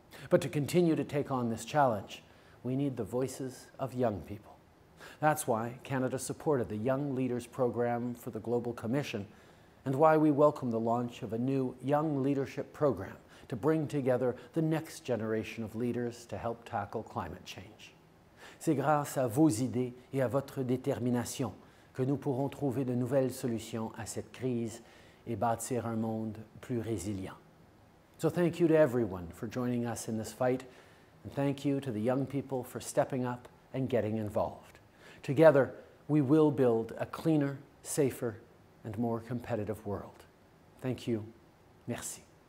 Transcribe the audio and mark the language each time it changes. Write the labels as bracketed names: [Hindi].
[English] But to continue to take on this challenge, we need the voices of young people. That's why Canada supported the Young Leaders Program for the Global Commission, and why we welcome the launch of a new Young Leadership Program to bring together the next generation of leaders to help tackle climate change. [French] C'est grâce à vos idées et à votre détermination que nous pourrons trouver de nouvelles solutions à cette crise et bâtir un monde plus résilient. [English] So thank you to everyone for joining us in this fight, and thank you to the young people for stepping up and getting involved. Together, we will build a cleaner, safer, and more competitive world. Thank you. Merci.